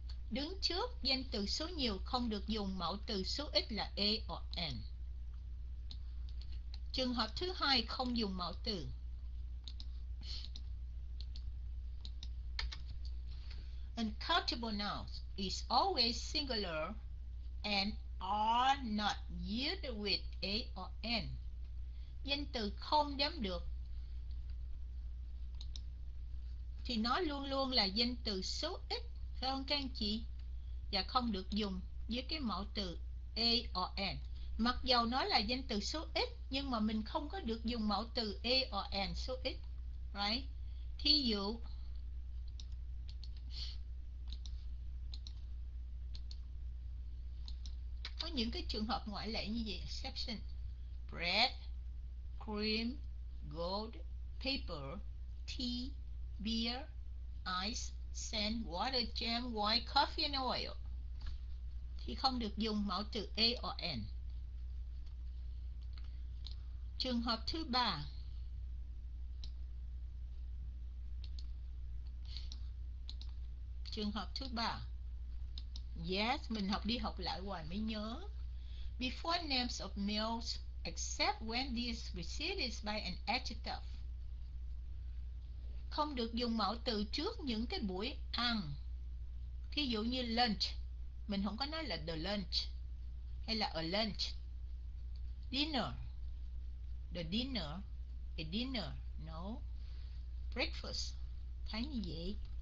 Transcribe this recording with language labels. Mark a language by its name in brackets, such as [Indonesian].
[Vietnamese] Đứng trước danh từ số nhiều không được dùng mạo từ số ít là a or an. Trường hợp thứ hai không dùng mạo từ. [English] Uncountable nouns is always singular and are not used with a or an. [Vietnamese] Danh từ không đếm được thì nó luôn luôn là danh từ số ít, phải không các anh chị? Và không được dùng với cái mẫu từ a or an. Mặc dầu nó là danh từ số ít nhưng mà mình không có được dùng mẫu từ a or an số ít, right? Thí dụ, có những cái trường hợp ngoại lệ như vậy, exception, bread, cream, gold, paper, tea, beer, ice, sand, water, jam, white, coffee and oil. Thì không được dùng mẫu từ A or N. Trường hợp thứ ba. Trường hợp thứ ba. Yes, mình học đi học lại hoài mới nhớ. [English] Before names of males, except when these preceded by an adjective. [Vietnamese] Không được dùng mẫu từ trước những cái buổi ăn. Thí dụ như lunch. Mình không có nói là the lunch hay là a lunch. [English] Dinner. The dinner. A dinner. No. Breakfast. [Vietnamese] Thấy như vậy.